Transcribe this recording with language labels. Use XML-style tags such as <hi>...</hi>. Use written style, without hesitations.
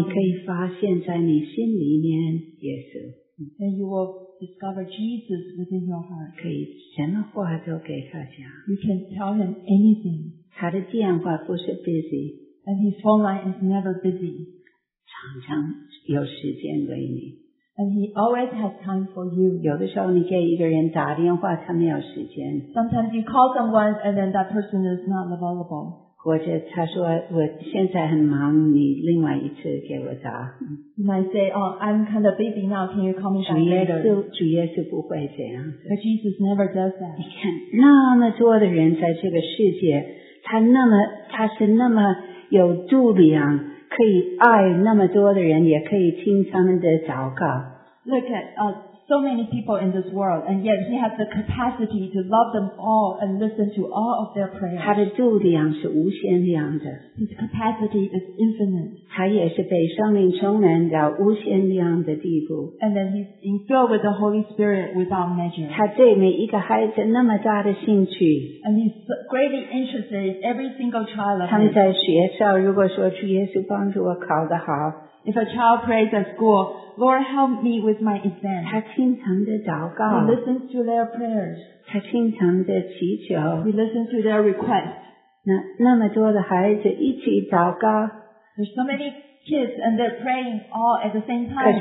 <zh>你可以发现在你心里面耶稣。</zh> <en>And you will discover Jesus within your heart.</en> <zh>可以什么话都给他讲。</zh> <en>You can tell him anything.</en> <zh>他的电话不是 busy.</zh> <en>And his phone line is never busy.</en> <zh>常常有时间为你。</zh> <en>And he always has time for you.</en> <zh>有的时候你给一个人打电话，他没有时间。</zh> <en>Sometimes you call someone and then that person is not available.</en> <zh>或者他说我现在很忙，你另外一次给我打。</zh> <en>You might say, oh, I'm kind of busy now. Can you call me back later?</en> <zh>主耶稣不会这样。</zh> <en>But Jesus never does that.</en> <zh>你看那么多的人在这个世界，他是那么有度量。可以爱那么多的人，也可以听他们的祷告。</zh> <en>Look at so many people in this world, and yet he has the capacity to love them all and listen to all of their prayers.</en> <zh>他的度量是无限量的。</zh> <en>His capacity is infinite.</en> <zh>他也是被圣灵充满到无限量的地步。</zh> <en>And then he's filled with the Holy Spirit without measure.</en> <zh>他对每一个孩子那么大的兴趣。</zh> <en>And he's greatly interested in every single child of his.</en> <zh>他们在学校如果说主耶稣帮助我考得好。</zh> <en>If a child prays at school, Lord help me with my exam.</en> <zh>他经常的祷告。</zh> <en>He listens to their prayers.</en> <zh>他经常的祈求。</zh> <en>He listens to their requests.</en> <zh>那么多的孩子一起祷告。</zh> <en>There's so many kids and they're praying all at the same time.</en>